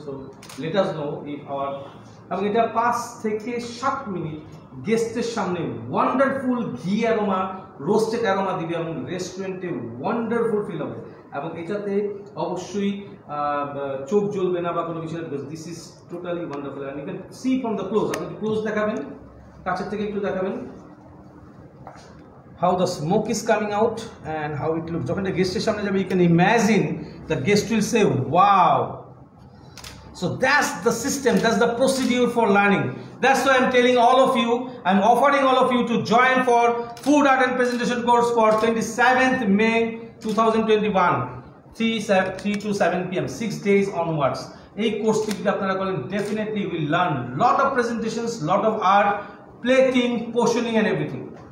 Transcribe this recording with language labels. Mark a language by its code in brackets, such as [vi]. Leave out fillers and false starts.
[en] so let us know if our [bn] এবং এটা 5 থেকে 7 মিনিট গেস্টের সামনে ওয়ান্ডারফুল ঘি অ্যারোমা রোস্টেড অ্যারোমা দিবে এবং রেস্টুরেন্টে ওয়ান্ডারফুল ফিল হবে এবং এটাতে অবশ্যই চোখ জ্বলবে না বা কোনো কিছু, [en] This is totally wonderful. You can see from the close, [bn] আপনি ক্লোজ দেখাবেন, কাছের থেকে একটু দেখাবেন [en] How the smoke is coming out and how it look. [bn] যখন গেস্টের সামনে যাবে [en] You can imagine the guest will say wow. So that's the system, that's the procedure for learning. That's why I'm telling all of you, I'm offering all of you to join for Food Art and Presentation course for 27th May 2021, 3 to 7 p.m. 6 days onwards. [bn] এই কোর্সটি যদি আপনারা করেন [en] Definitely will learn lot of presentations, lot of art, plating, portioning and everything.